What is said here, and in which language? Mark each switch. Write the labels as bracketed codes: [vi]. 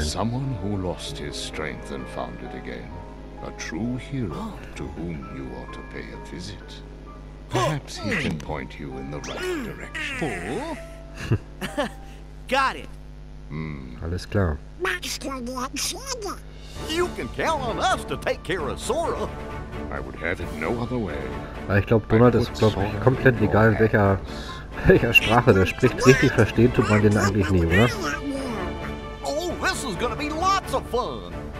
[en] Someone who lost his strength and found it again, a true hero to whom you ought to pay a visit. Perhaps he can point you in the right direction. Fool? Got it. [de] Alles klar. [en] You can count on us to take care of Sora. I would have it no other way. [de] Ich glaube, Donald ist komplett egal, in welcher Sprache der spricht. Richtig verstehen tut man den eigentlich nie, oder? [en] Oh, this is gonna be lots of fun.